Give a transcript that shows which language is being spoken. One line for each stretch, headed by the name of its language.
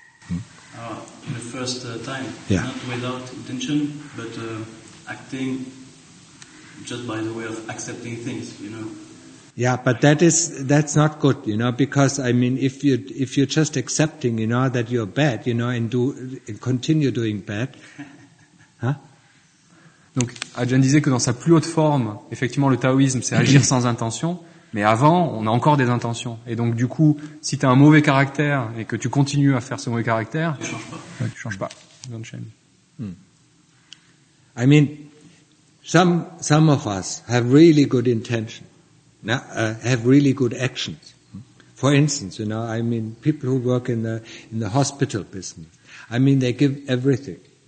English: In the first time, not without intention, but. Acting just by the way of accepting things, you know. Yeah, but that's not good, you know, because I mean, if you're just accepting, you know, that you're bad, you know, and continue doing bad,
French: Donc, Ajahn disait que dans sa plus haute forme, effectivement, le taoïsme, c'est agir sans intention. Mais avant, on a encore des intentions. Et donc, du coup, si t'as un mauvais caractère et que tu continues à faire ce mauvais caractère, tu changes pas. Ouais, tu changes pas.
English: Don't change. I mean, some of us have really good intention, have really good actions. For instance, you know, I mean, people who work in the hospital business, I mean, they give everything.